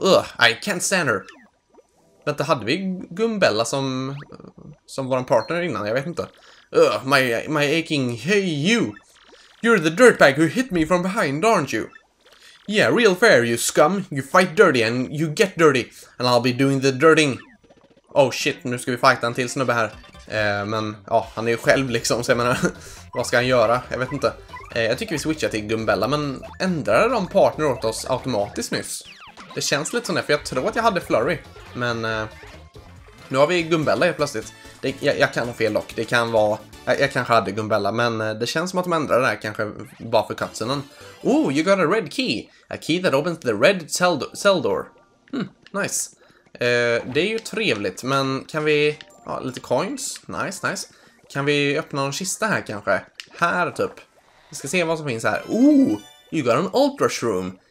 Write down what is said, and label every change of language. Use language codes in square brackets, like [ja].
[en] Ugh, I can't stand her. [sv] Vänta, hade vi Gumbella som våran partner innan? Jag vet inte. [en] Ugh, my aching, hey you. You're the dirtbag who hit me from behind, aren't you? Yeah, real fair, you scum. You fight dirty and you get dirty. And I'll be doing the dirting. [sv] Oh shit, nu ska vi fighta en till snubbe här. Men ja, han är ju själv liksom, så jag menar, vad ska han göra? Jag vet inte. Jag tycker vi switchar till Gumbella, men ändrade de partner åt oss automatiskt nyss? Det känns lite sån där, för jag tror att jag hade Flurry. Men nu har vi Gumbella helt plötsligt. Jag kan ha fel dock, det kan vara, jag kanske hade Gumbella, men det känns som att de ändrade det här kanske bara för cutscenen. [en] Oh, you got a red key. A key that opens the red cell door. Nice. [sv] Det är ju trevligt, men kan vi, ja, lite coins. Nice, nice. Kan vi öppna någon kista här kanske? Här typ. Vi ska se vad som finns här. [en] Oh, you got an ultra shroom.